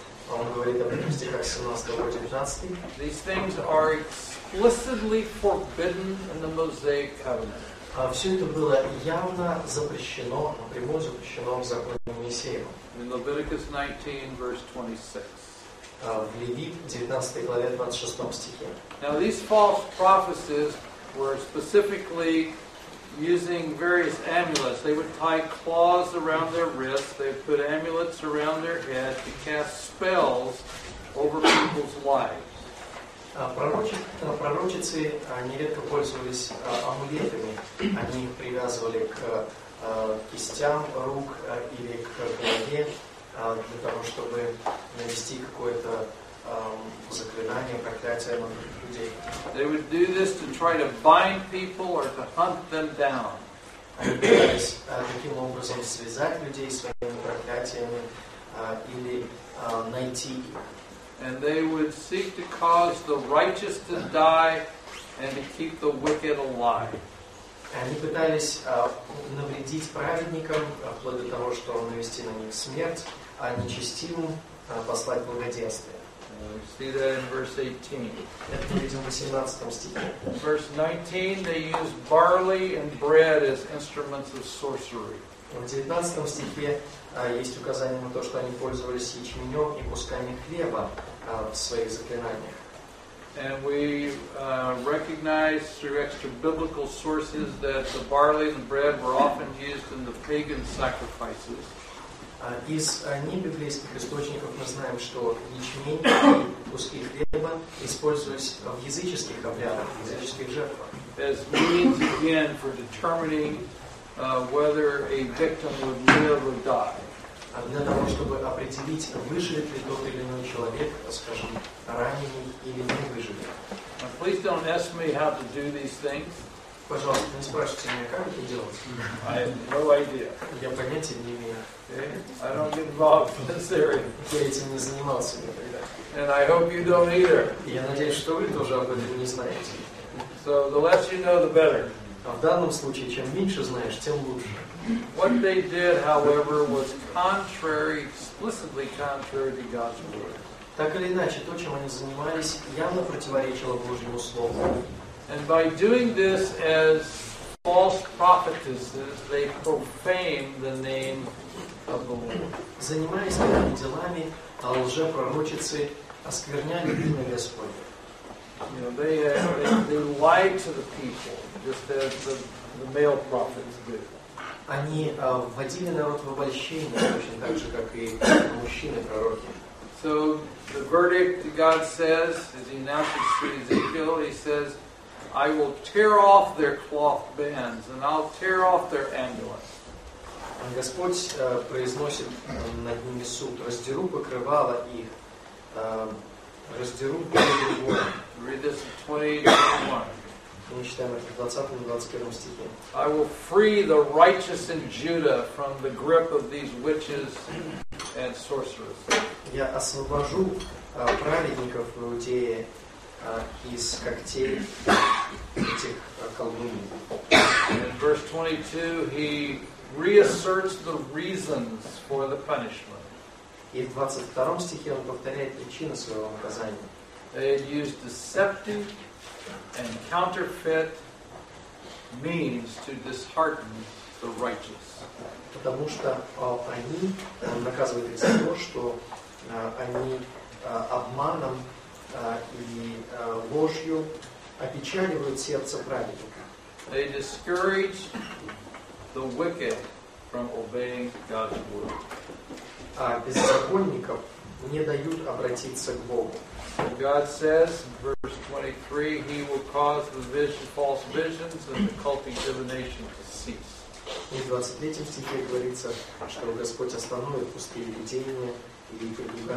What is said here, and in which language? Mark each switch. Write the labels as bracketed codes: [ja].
[ru] Он говорит об этом в стихах 17-19. [en] These things are explicitly forbidden in the Mosaic covenant. [ru] Все это было явно запрещено, напрямую запрещено в законе Моисеева. [en] In Leviticus 19, verse 26. [ru] В Левит 19 главе 26 стихе. [en] Now these false prophecies were specifically using various amulets. They would tie claws around their wrists. They would put amulets around their head to cast spells over people's lives. [ru] Пророчицы нередко пользовались амулетами. Они их привязывали к кистям рук или к голове для того, чтобы навести какое-то заклинание, проклятие на людей. [en] They would do this to try to bind people or to hunt them down. [ru] Они пытались таким образом связать людей своими проклятиями или найти их. [en] And they would seek to cause the righteous to die and to keep the wicked alive. [ru] Они пытались навредить праведникам, вплоть до того, что навести на них смерть, а нечестивым послать благоденствие. [en] We see that in verse 18. [ru] Это видим в 18 стихе. [en] Verse 19, they use barley and bread as instruments of sorcery. [ru] В 19 стихе есть указание на то, что они пользовались ячменем и кусками хлеба в своих заклинаниях. [en] And we recognize through extra biblical sources that the barley and bread were often used in the pagan sacrifices. [ru] Из небиблейских источников мы знаем, что ячмень и куски хлеба использовались в языческих обрядах, в языческих жертвах. [en] As means again for determining whether a victim would live or die. [ru] Для того, чтобы определить, выживет ли тот или иной человек, скажем, раненый или не выживет. [en] Now, please don't ask me how to do these things. [ru] Пожалуйста, не спрашивайте меня, как это делать. [en] I have no idea. [ru] Я понятия не имею. [en] Okay? I don't get involved in this area. [ru] Я этим не занимался никогда. [en] And I hope you don't either. [ru] Я надеюсь, что вы тоже об этом не знаете. [en] So the less you know, the better. [ru] А в данном случае, чем меньше знаешь, тем лучше. [en] What they did, however, was contrary, explicitly contrary to God's word. [ru] Так или иначе, то, чем они занимались, явно противоречило Божьему слову. [en] And by doing this as false prophetesses, they profane the name of the Lord. [ru] Занимаясь такими делами, лжепророчицы оскверняли имя Господне. [en] You know, they lied to the people, just as the male prophets did. [ru] Они вводили народ в обольщение, точно так же, как и мужчины-пророки. [en] So, the verdict God says, as he announces to Ezekiel, he says, I will tear off their cloth bands, and I'll tear off their amulets. [ru] Господь произносит над ними суд, раздеру покрывало их, раздеру покрывало. [en] Read this in 20:21. [ru] Мы читаем это в 20-21 стихе. [en] I will free the righteous in Judah from the grip of these witches and sorcerers. [ru] Я освобожу праведников в Иудее из когтей этих колдуньи. [en] In verse 22, he reasserts the reasons for the punishment. [ru] И в 22 стихе он повторяет причины своего наказания. [en] They had used deceptive and counterfeit means to dishearten the righteous. [ru] Потому что они наказывают из-за того, что они обманом и ложью опечаливают сердце праведника. [en] They discourage the wicked from obeying God's word. [ru] А беззаконников не дают обратиться к Богу. [en] God says in verse 23, He will cause the vision, false visions and the occultic divination to cease. [ru] И в 23 стихе говорится, что Господь остановит пустые видения и предугадывания.